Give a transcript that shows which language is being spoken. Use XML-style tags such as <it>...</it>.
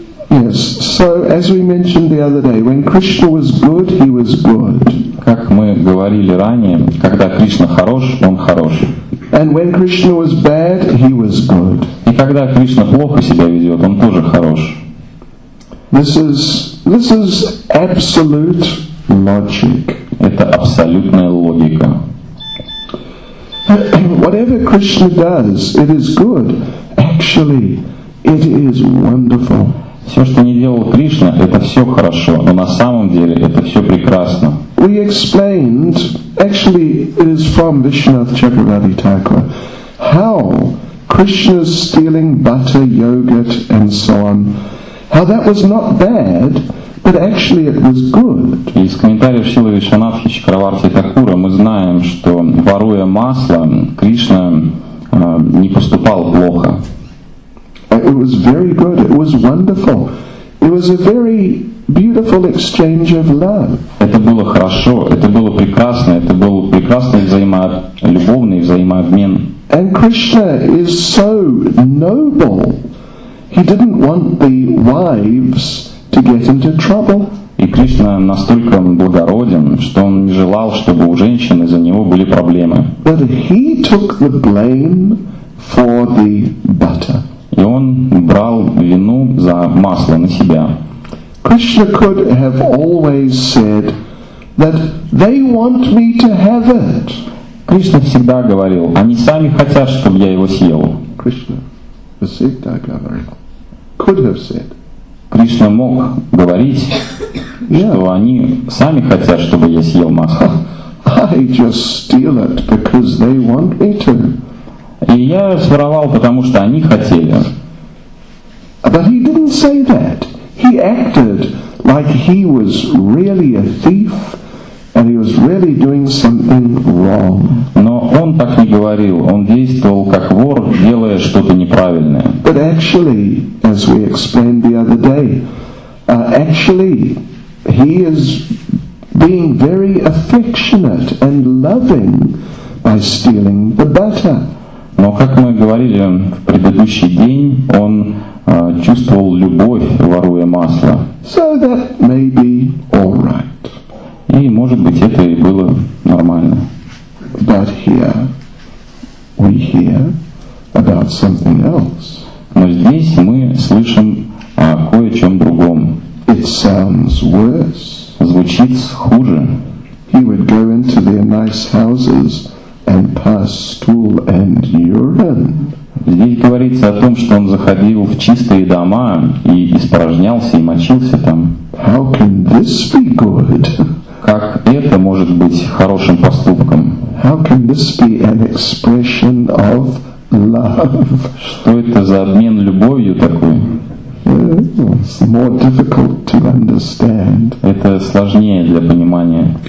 <en>Yes, so as we mentioned the other day, when Krishna was good, he was good.</en> <ru>Как мы говорили ранее, когда Кришна хорош, он хорош.</ru> <en>And when Krishna was bad, he was good.</en> <ru>И когда Кришна плохо себя ведет, он тоже хорош.</ru> <en>This is absolute logic.</en> <ru>Это абсолютная логика.</ru> <en>Whatever Krishna does, it is good. Actually, it is wonderful.</en> <ru>Все, что не делал Кришна, это все хорошо. Но на самом деле, это все прекрасно.</ru> <en>we explained, actually it is from Vishwanath Chakravarti Thakur, how Krishna's stealing butter, yogurt and so on, how that was not bad, but actually it was good.</en> <ru>Из комментариев Шрилы Вишванатхи Чакраварти Такура мы знаем, что воруя масло, Кришна не поступал плохо.</ru> <en>It was very good, it was wonderful. It was a very beautiful exchange of love.</en> <ru>Это было хорошо, это было прекрасно, это был прекрасный взаимолюбовный взаимообмен.</ru> <en>And Krishna is so noble. He didn't want the wives to get into trouble.</en> <ru>И Кришна настолько благороден, что он не желал, чтобы у женщин из-за него были проблемы.</ru> <en>But he took the blame for the butter.</en> <ru>И он брал вину за масло на себя.</ru> <en>Krishna could have always said that they want me to have it.</en> <ru>Кришна всегда говорил, они сами хотят, чтобы я его съел.</ru> <en>Krishna</en> <ru>всегда говорил,</ru> <en>could have said.</en> <ru>Кришна мог говорить, yeah. Что они сами хотят, чтобы я съел масло.</ru> <en>I just steal it because they want me to.</en> <ru>И я своровал, потому что они хотели.</ru> <en>But he didn't say that. He acted like he was really a thief and he was really doing something wrong.</en> <ru>Но он так не говорил. Он действовал как вор, делая что-то неправильное.</ru> <en>But actually, as we explained the other day, actually he is being very affectionate and loving by stealing the butter.</en> <ru>Но, как мы говорили в предыдущий день, он чувствовал любовь, воруя масло.</ru> <en>So that may be all right.</en> <ru>И, может быть, это и было нормально.</ru> <en>But here we hear about something else.</en> <ru>Но здесь мы слышим о кое-чем другом.</ru> <en>It sounds worse.</en> <ru>Звучит хуже.</ru> <en>He would go into their nice houses and pass stool and urine.</en> <ru>Здесь говорится о том, что он заходил в чистые дома и испражнялся и мочился там.</ru> <en>How can this be good?</en> <ru>Как это может быть хорошим поступком?</ru> <en>How can this be an expression of love?</en> <ru>Что это за обмен любовью такой?</ru> <en>It's more difficult to understand.</en> <ru>Это сложнее для понимания.</ru>